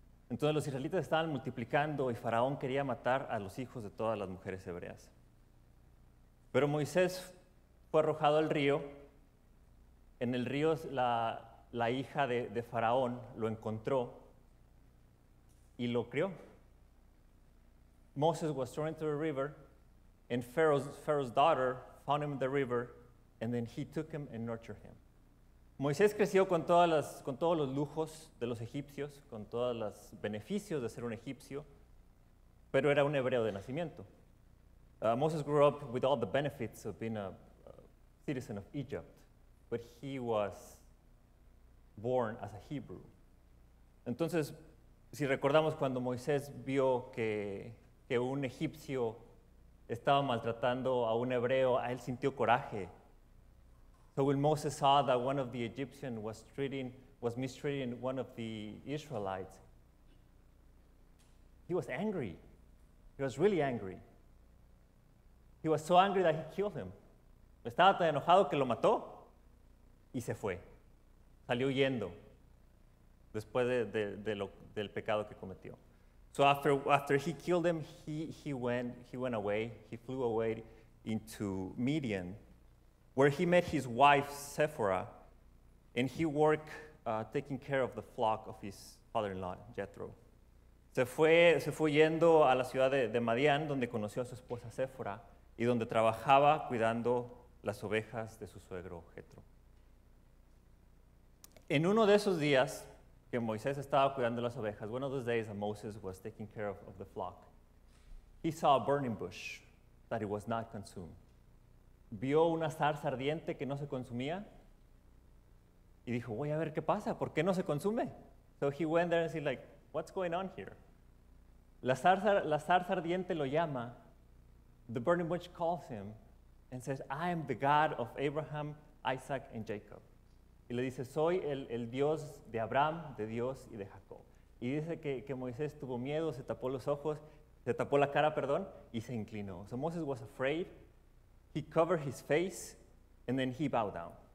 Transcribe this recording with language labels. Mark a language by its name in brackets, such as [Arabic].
[Spanish] Entonces los israelitas estaban multiplicando y Faraón quería matar a los hijos de todas las mujeres hebreas. Pero Moisés fue arrojado al río. En el río la hija de Faraón lo encontró y lo crió. [English] Moses was thrown into the river, and Pharaoh's daughter found him in the river, and then he took him and nurtured him. [Spanish] Moisés creció con todos los lujos de los egipcios, con todos los beneficios de ser un egipcio, pero era un hebreo de nacimiento. [English] Moses grew up with all the benefits of being a citizen of Egypt. But he was born as a Hebrew. [Spanish] Entonces, si recordamos cuando Moisés vio que un egipcio estaba maltratando a un hebreo, a él sintió coraje. [English] So when Moses saw that one of the Egyptians was mistreating one of the Israelites, he was angry. He was really angry. He was so angry that he killed him. [Spanish] Estaba tan enojado que lo mató. Y se fue, salió huyendo después del pecado que cometió. [English] So after he killed him, he went away, he flew away into Midian, where he met his wife Sephora, and he worked taking care of the flock of his father-in-law Jethro. [Spanish] Se fue huyendo a la ciudad de Madian, donde conoció a su esposa Sephora y donde trabajaba cuidando las ovejas de su suegro Jethro. En uno de esos días, que Moisés estaba cuidando las ovejas, [English] one of those days that Moses was taking care of the flock, he saw a burning bush that it was not consumed. [Spanish] Vio una zarza ardiente que no se consumía y dijo, voy a ver qué pasa, ¿por qué no se consume? [English] So he went there and said, like, what's going on here? [Spanish] La zarza ardiente lo llama. [English] The burning bush calls him and says, I am the God of Abraham, Isaac, and Jacob. [Spanish] Y le dice, soy el Dios de Abraham, de Dios y de Jacob. Y dice que Moisés tuvo miedo, se tapó los ojos, se tapó la cara, perdón, y se inclinó. [English] So Moses was afraid. He covered his face and then he bowed down.